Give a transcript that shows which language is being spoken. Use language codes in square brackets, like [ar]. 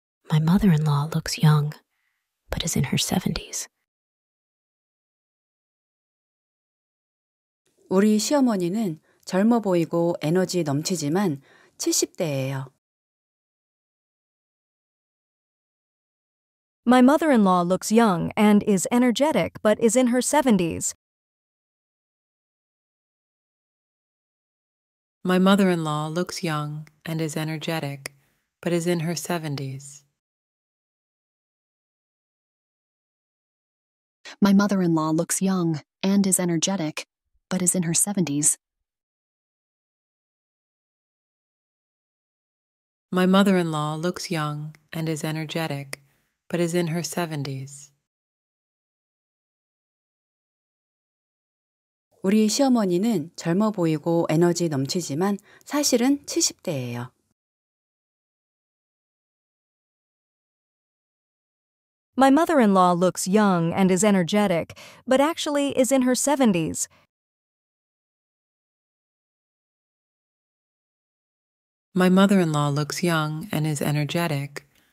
[en] My mother-in-law looks young, but is in her 70s. [ko] 우리 시어머니는 젊어 보이고 에너지 넘치지만 70대예요. [en] My mother-in-law looks young and is energetic, but is in her 70s. My mother-in-law looks young and is energetic, but is in her 70s. My mother-in-law looks young and is energetic, but is in her 70s. My mother-in-law looks young and is energetic. But is in her 70s. [ko] 우리 시어머니는 젊어 보이고 에너지 넘치지만 사실은 70대예요. [en] My mother-in-law looks young and is energetic, but actually is in her 70s. My mother-in-law looks young and is energetic.